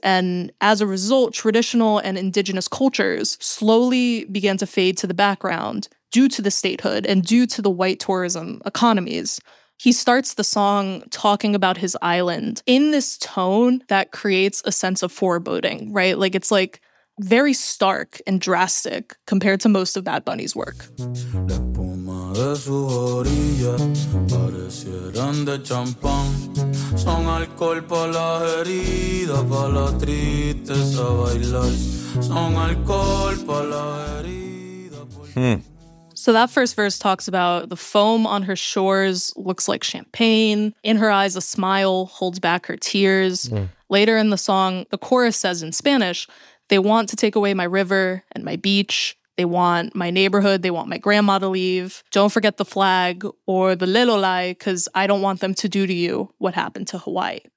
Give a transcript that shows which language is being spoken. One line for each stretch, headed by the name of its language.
English: And as a result, traditional and indigenous cultures slowly began to fade to the background due to the statehood and due to the white tourism economies. He starts the song talking about his island in this tone that creates a sense of foreboding, right? Like it's like very stark and drastic compared to most of Bad Bunny's work.
Spanish: De sus orillas parecieran de champán, son alcohol pa' las heridas, pa' la tristeza bailar, son alcohol pa' las heridas.
English: So that first verse talks about the foam on her shores looks like champagne. In her eyes, a smile holds back her tears. Later in the song, the chorus says in Spanish, they want to take away my river and my beach. They want my neighborhood. They want my grandma to leave. Don't forget the flag or the lelolai, because I don't want them to do to you what happened to Hawaii.